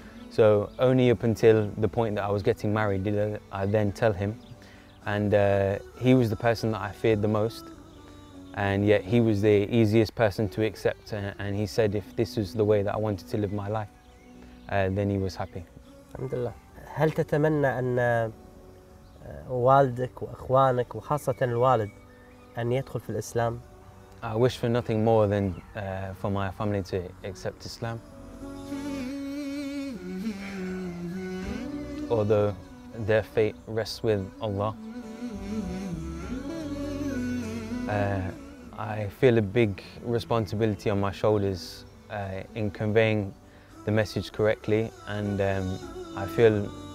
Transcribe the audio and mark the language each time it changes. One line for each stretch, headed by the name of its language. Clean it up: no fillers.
English: So only up until the point that I was getting married did I then tell him. And he was the person that I feared the most, and yet he was the easiest person to accept. And he said, if this is the way that I wanted to live my life, then he was happy.
Arabic: Alhamdulillah. هل تتمنى أن والدك وأخوانك وخاصة الوالد أن يدخل في الإسلام؟
English: I wish for nothing more than for my family to accept Islam. Although their fate rests with Allah, I feel a big responsibility on my shoulders in conveying the message correctly, and I feel